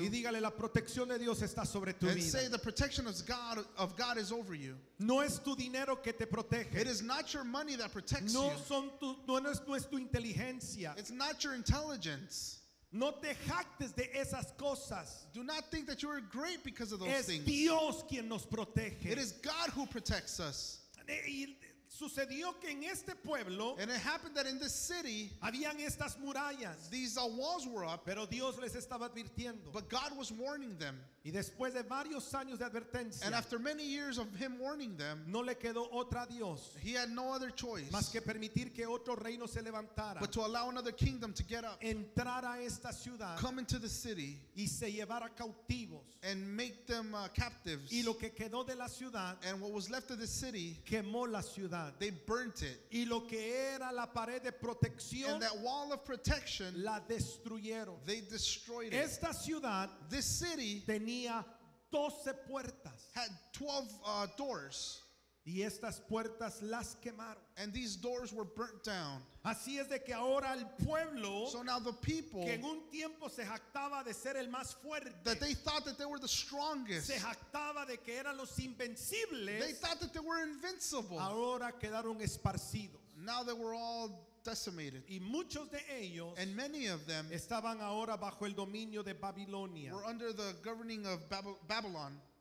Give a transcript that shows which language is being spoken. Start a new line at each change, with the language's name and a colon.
Spanish: Y dígale, la protección de Dios está sobre tu
English: and
Spanish: vida.
English: And say, the protection of God is over you.
Spanish: No es tu dinero que te protege.
English: It is not your money that protects
Spanish: no
English: you.
Spanish: Son tu, no, no, es, no es tu inteligencia.
English: It's not your intelligence.
Spanish: No te jactes de esas cosas.
English: Do not think that you are great because of those
Spanish: es
English: things.
Spanish: Dios quien nos protege.
English: It is God who protects us.
Spanish: Sucedió que en este pueblo,
English: and it happened that in this city,
Spanish: habían estas murallas.
English: These walls were up,
Spanish: pero Dios les estaba advirtiendo.
English: But God was warning them.
Spanish: Y después de varios años de advertencia,
English: and after many years of him warning them,
Spanish: no le quedó otra a Dios,
English: he had no other choice,
Spanish: más que permitir que otro reino se levantara,
English: but to allow another kingdom to get up,
Spanish: entrar a esta ciudad,
English: come into the city,
Spanish: y se llevara cautivos,
English: and make them captives.
Spanish: Y lo que quedó de la ciudad,
English: and what was left of the city,
Spanish: quemó la ciudad.
English: They burnt it.
Spanish: Y lo que era la pared de protección,
English: and that wall of protection,
Spanish: la destruyeron.
English: They destroyed it.
Spanish: Esta ciudad,
English: this city,
Spanish: tenía 12 puertas.
English: Had 12 doors.
Spanish: Y estas puertas las quemaron.
English: And these doors were burnt down.
Spanish: Así es de que ahora el pueblo,
English: so now the people,
Spanish: que en un tiempo se jactaba de ser el más fuerte,
English: that they thought that they were the strongest,
Spanish: se jactaba de que eran los invencibles,
English: they thought that they were invincible,
Spanish: ahora quedaron esparcidos.
English: Now they were all decimated.
Spanish: Y muchos de ellos,
English: and many of them,
Spanish: estaban ahora bajo el dominio de Babilonia,
English: were under the governing of Babylon.